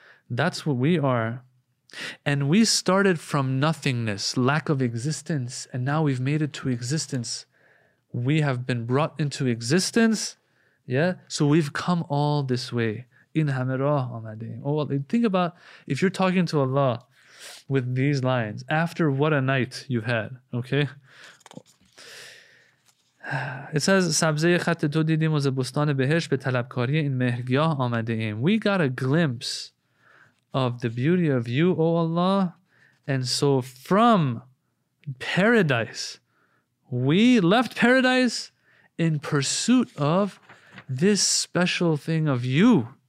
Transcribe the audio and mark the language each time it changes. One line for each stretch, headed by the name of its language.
English: That's what we are. And we started from nothingness, lack of existence, and now we've made it to existence. We have been brought into existence. Yeah? So we've come all this way.
Persian: In hamirah amadeen.
English: Oh, well, think about if you're talking to Allah with these lines, after what a night you've had, okay? It says,
Persian: سبزه خط تو دیدیم و ز بستان بهشت به طلبکاری این مهرگیاه آمده ایم.
English: We got a glimpse of the beauty of you, O Allah. And so from paradise, we left paradise in pursuit of this special thing of you.